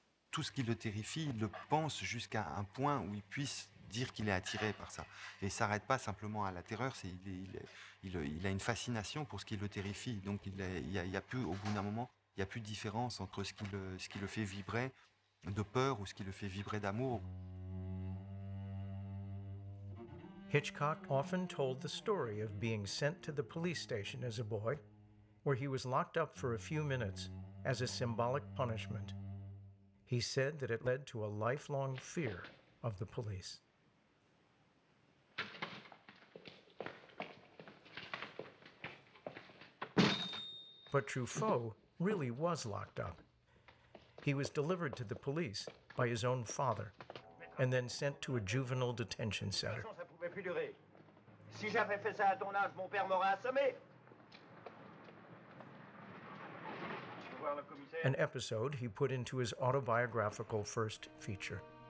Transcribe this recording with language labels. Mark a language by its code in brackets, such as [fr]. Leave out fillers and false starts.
[fr] Tout ce qui le terrifie, il le pense jusqu'à un point où il puisse dire qu'il est attiré par ça. Et il ne s'arrête pas simplement à la terreur, il a une fascination pour ce qui le terrifie. Donc il y a plus, au bout d'un moment, il n'y a plus de différence entre ce qui le fait vibrer de peur ou ce qui le fait vibrer d'amour. [en] Hitchcock often told the story of being sent to the police station as a boy, where he was locked up for a few minutes as a symbolic punishment. He said that it led to a lifelong fear of the police. But Truffaut really was locked up. He was delivered to the police by his own father and then sent to a juvenile detention center. [fr] Ça pouvait plus durer. Si j'avais fait ça à ton âge, mon père m'aurait assommé. [en] An episode he put into his autobiographical first feature.